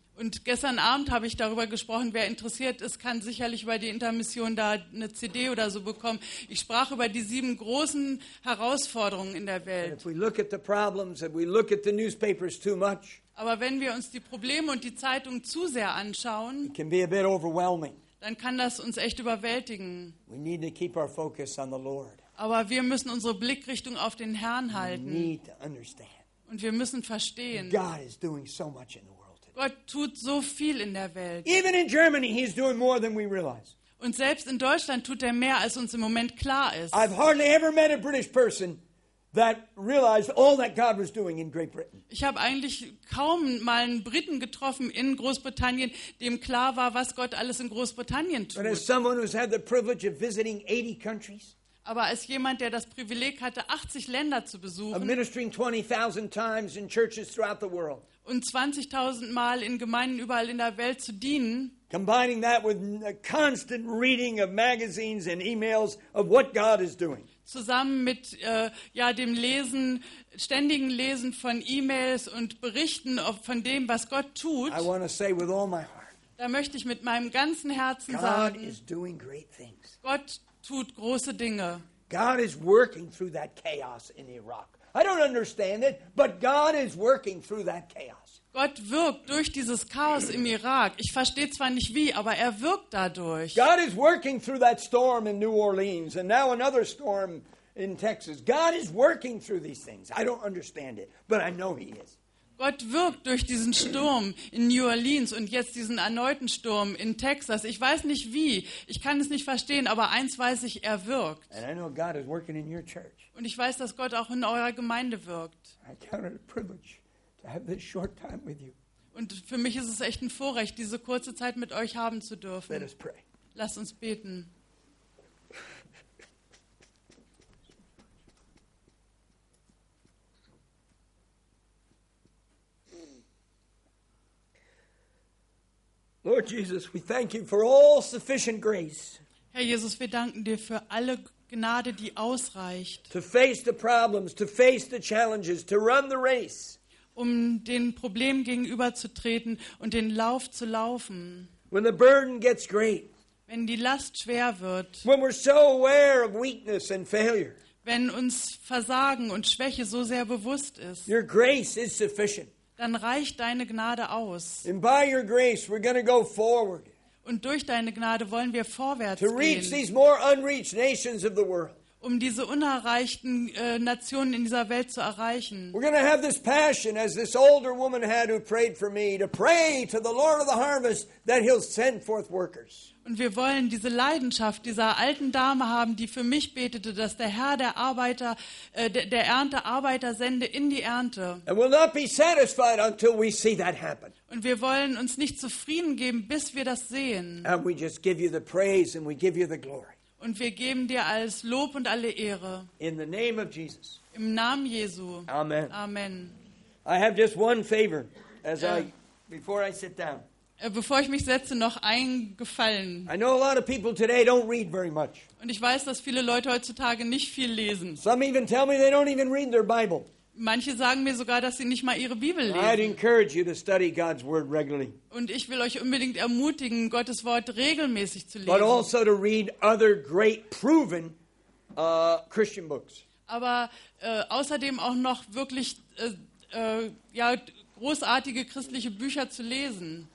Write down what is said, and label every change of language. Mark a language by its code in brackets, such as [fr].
[de] Und gestern Abend habe ich darüber gesprochen. Wer interessiert ist, kann sicherlich bei der Intermission da eine CD oder so bekommen. Ich sprach über die sieben großen Herausforderungen in der Welt. [en] If we look at the problems, if we look at the newspapers too much, [de] aber wenn wir uns die Probleme und die Zeitung zu sehr anschauen, [en] it can be a bit overwhelming. [de] Dann kann das uns echt überwältigen. [en] We need to keep our focus on the Lord. [de] Aber wir müssen unsere Blickrichtung auf den Herrn halten. [en] We need to understand. [de] Und wir müssen verstehen, [en] God is doing so much in the world. [de] Gott tut so viel in der Welt. [en] Even in Germany, he's doing more than we realize. [de] Und selbst in Deutschland tut mehr, als uns im Moment klar ist. [en] I've hardly ever met a British person that realized all that God was doing in Great Britain. [de] Ich habe eigentlich kaum mal einen Briten getroffen in Großbritannien, dem klar war, was Gott alles in Großbritannien tut. [en] But as someone who's had the privilege of visiting 80 countries, [de] aber als jemand, der das Privileg hatte, 80 Länder zu besuchen, [en] ministering 20,000 times in churches throughout the world, [de] und 20,000 Mal in Gemeinden überall in der Welt zu dienen. [en] Combining that with a constant reading of magazines and emails of what God is doing. [de] Zusammen mit dem Lesen, ständigen Lesen von E-Mails und Berichten von dem, was Gott tut. [en] I want to say with all my heart. [de] Da möchte ich mit meinem ganzen Herzen [en] God [de] sagen. [en] God is doing great things. [de] Gott tut große Dinge. [en] God is working through that chaos in Iraq. I don't understand it, but God is working through that chaos. [de] Gott wirkt durch dieses Chaos im Irak. Ich verstehe zwar nicht wie, aber wirkt dadurch. [en] God is working through that storm in New Orleans and now another storm in Texas. God is working through these things. I don't understand it, but I know he is. [de] Gott wirkt durch diesen Sturm in New Orleans und jetzt diesen erneuten Sturm in Texas. Ich weiß nicht wie, ich kann es nicht verstehen, aber eins weiß ich, er wirkt. [en] And I know God is working in your church. [de] Und ich weiß, dass Gott auch in eurer Gemeinde wirkt. [en] I count it a privilege to have this short time with you. [de] Und für mich ist es echt ein Vorrecht, diese kurze Zeit mit euch haben zu dürfen. [en] Let us pray. [de] Lasst uns beten. [en] Lord Jesus, we thank you for all sufficient grace. [de] Herr Jesus, wir danken dir für alle Gnade, die ausreicht. [en] To face the problems, to face the challenges, to run the race. [de] Um den Problemen gegenüberzutreten und den Lauf zu laufen. [en] When the burden gets great. [de] Wenn die Last schwer wird. [en] When we're so aware of weakness and failure. [de] Wenn uns Versagen und Schwäche so sehr bewusst ist. [en] Your grace is sufficient. [de] Dann reicht deine Gnade aus. [en] And by your grace, we're going to go forward. [de] Und durch deine Gnade wollen wir vorwärts gehen. [en] To reach these more unreached nations of the world. [de] Um diese unerreichten Nationen in dieser Welt zu erreichen. [en] We're going to have this passion, as this older woman had who prayed for me, to pray to the Lord of the harvest that he'll send forth workers. [de] Und wir wollen diese Leidenschaft dieser alten Dame haben, die für mich betete, dass der Herr der Arbeiter, der Ernte Arbeiter sende in die Ernte. [en] And we'll not be satisfied until we see that happen. [de] Und wir wollen uns nicht zufrieden geben, bis wir das sehen. [en] And we just give you the praise and we give you the glory. [de] Und wir geben dir alles Lob und alle Ehre. [en] In the name of Jesus. [de] Im Namen Jesu. [en] Amen. [de] Amen. [en] I have just one favor as I before I sit down. [de] Bevor ich mich setze, noch ein Gefallen. [en] I know a lot of people today don't read very much. [de] Und ich weiß, dass viele Leute heutzutage nicht viel lesen. [en] Some even tell me they don't even read their Bible. [de] Manche sagen mir sogar, dass sie nicht mal ihre Bibel lesen. [en] I'd encourage you to study God's word regularly. [de] Und ich will euch unbedingt ermutigen, Gottes Wort regelmäßig zu lesen. [en] But also to read other great proven Christian books. [de] Aber außerdem auch noch wirklich großartige christliche Bücher zu lesen.